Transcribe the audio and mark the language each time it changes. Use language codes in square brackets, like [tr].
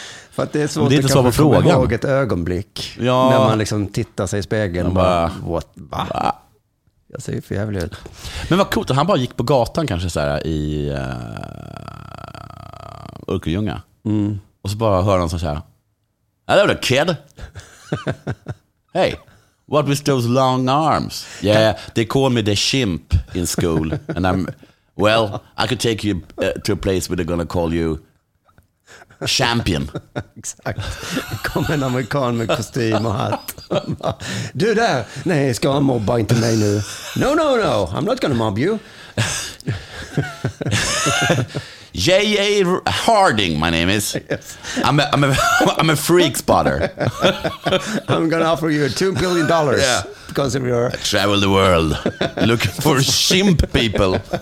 [sv] För att det är svårt det är att kanske komma ihåg ett ögonblick när man liksom tittar sig i spegeln och bara, va? Jag ser ju för jävligt ut. Men vad coolt, han bara gick på gatan kanske så här i Örkelljunga. Mm. Och så bara hör han så här, [en] hello there kid. Hey, what with those long arms? Yeah, they call me the chimp in school. And I'm, well, I could take you to a place where they're gonna call you champion. [sv] Exakt. Kom en amerikan med kostym och hatt. Du där, nej, ska han mobba inte mig nu? [en] No, no, no, I'm not gonna mob you. J.A. Harding, my name is. Yes. I'm a freak spotter. I'm gonna offer you $2 billion because of your... I travel the world looking for shimp people.